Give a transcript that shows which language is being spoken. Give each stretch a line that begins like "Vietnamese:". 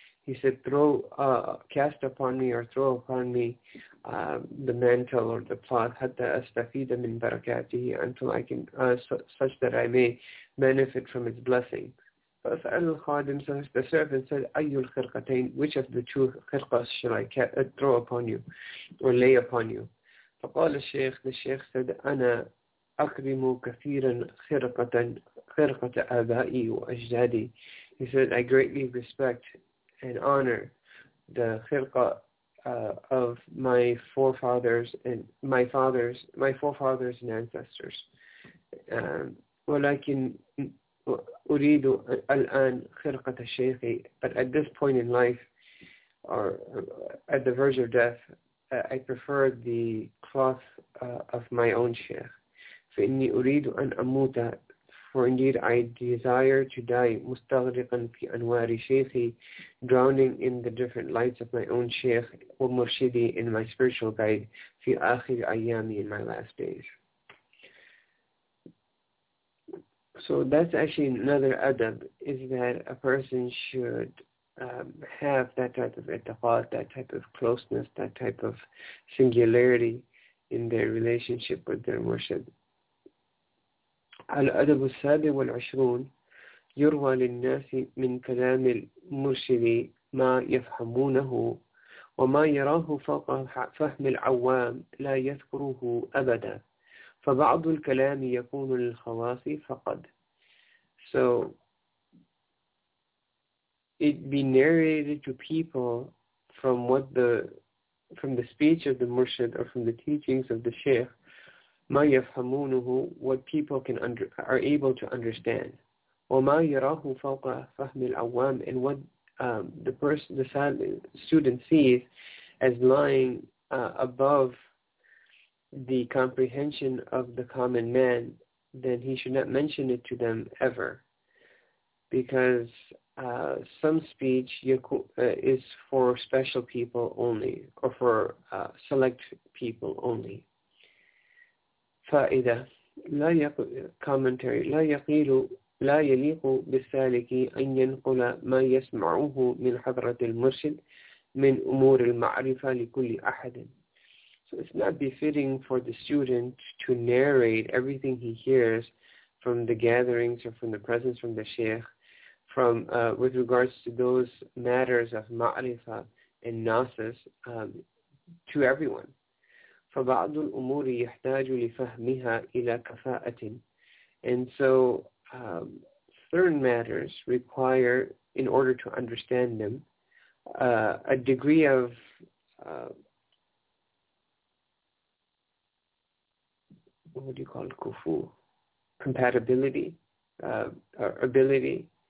English: He said, cast upon me, or throw upon me the mantle or the cloth,
Arabic: hatta astafida min barakatihi,
English: until I can, such that I may benefit from its blessing.
Arabic: فأسأل الخادم,
English: so the servant said,
Arabic: أيُّ الخرقتين,
English: which of the two khirqas shall I throw upon you or lay upon you?
Arabic: فقال الشيخ,
English: the sheikh said,
Arabic: أنا أكرم كثيرا خرقة آبائي وأجدادي.
English: He said, I greatly respect and honor the khirqa of my forefathers and my forefathers and ancestors.
Arabic: ولكن أريد الآن خرقة شيخي.
English: But at this point in life, or at the verge of death, I prefer the cloth of my own sheikh.
Arabic: فإني أريد أن أموت.
English: For indeed, I desire to die,
Arabic: مُسْتَغْرِقًا فِي أَنْوَارِ شَيْخِي,
English: drowning in the different lights of my own sheikh,
Arabic: وَمُرْشِدِي,
English: in my spiritual guide,
Arabic: فِي آخِرِ أَيَّامِي,
English: in my last days. So that's actually another adab, is that a person should have that type of ittiqad, that type of closeness, that type of singularity in their relationship with their murshid.
Arabic: الأدب السابع والعشرون يروى للناس من كلام المرشد ما يفهمونه وما يراه فوق فهم العوام لا يذكره أبدا فبعض الكلام يكون للخواص فقد.
English: So it be narrated to people from what the from the speech of the murshid or from the teachings of the sheikh,
Arabic: ما يفهمونه,
English: what people can are able to understand,
Arabic: وما يراه فوق فهم العوام,
English: and what the person, the student sees as lying above the comprehension of the common man, then he should not mention it to them ever, because some speech is for special people only, or for select people only.
Arabic: فائدة لا يق commentary لا يقيل لا يليق بالسالك أن ينقل ما يسمعه من حضرة المرشد من أمور المعرفة لكل أحد.
English: So it's not befitting for the student to narrate everything he hears from the gatherings or from the presence from the sheikh, from with regards to those matters of معرفة and gnosis, to everyone.
Arabic: فبعض الأمور يحتاج لفهمها إلى كفاءة.
English: And so certain matters require, in order to understand them, a degree of what do you call it, كفو, compatibility, ability.